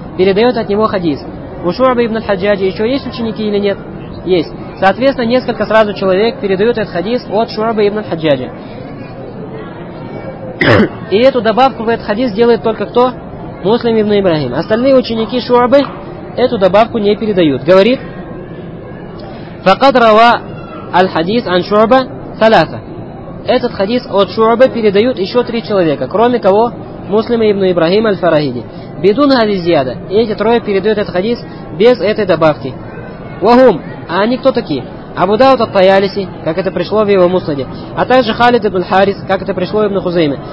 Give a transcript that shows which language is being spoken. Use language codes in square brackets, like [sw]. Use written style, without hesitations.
[ru] Передает от него хадис. У Шуаба ибн Аль-Хаджаджа еще есть ученики или нет? Есть. Соответственно, несколько сразу человек передают этот хадис от Шуаба ибн Аль-Хаджаджа. И эту добавку в этот хадис делает только кто? Муслим ибн Ибрахим. Остальные ученики Шуабы эту добавку не передают. Говорит... [ar] فقد روى الحديث عن شعبة ثلاثة. [ru] Этот хадис от Шуабы передают еще три человека, кроме кого? Муслима ибн Ибрахим аль-Фарахиди. Бидун хадизиада. Эти трое передают этот хадис без этой добавки. Вахум. А они кто такие? Абу Дауд ат-Таялиси, как это пришло в его муснаде. А также Халид ибн Харис, как это пришло ибн Хузейме.